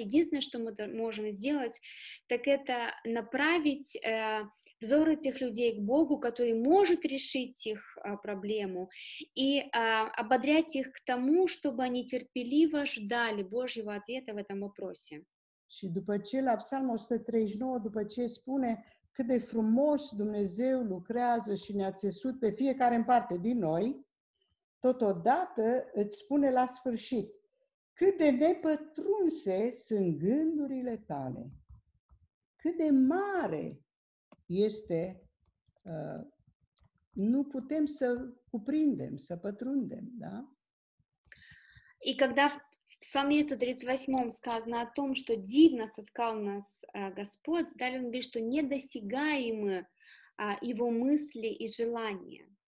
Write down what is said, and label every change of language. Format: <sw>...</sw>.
<ru>Единственное, что мы можем сделать, так это направить взор этих людей к Богу, который может решить их проблему, и ободрять их к тому, чтобы они терпеливо ждали Божьего ответа в этом вопросе.</ru> <ro>Și după ce la Psalmul 139, după ce spune cât de frumos Dumnezeu lucrează și ne-a țesut pe fiecare în parte din noi, totodată îți spune la sfârșit cât de nepătrunse sunt gândurile tale, cât de mare este, nu putem să cuprindem, să pătrundem, da?</ro> <ru>И когда в Псалме 138 сказано о том, что дивно соткал нас Господь, далее он говорит, что недосягаемы его мысли и желания.</ru>